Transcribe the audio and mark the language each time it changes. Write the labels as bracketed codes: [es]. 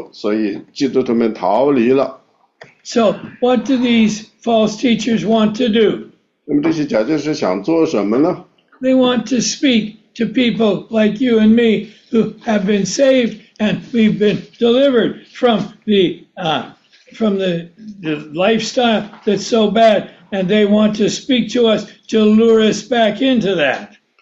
[zh] 所以呢，就是我们就和那些就是说是有错误、有妄行的人合在一起。那么说呢，基督徒说呢，不，我们不能那么去做。所以基督徒们逃离了。 [en] So what do these false teachers want to do? [zh] 那么这些假教师想做什么呢？ [en] They want to speak to people like you and me who have been saved and we've been delivered from the lifestyle that's so bad, and they want to speak to us to lure us back into that.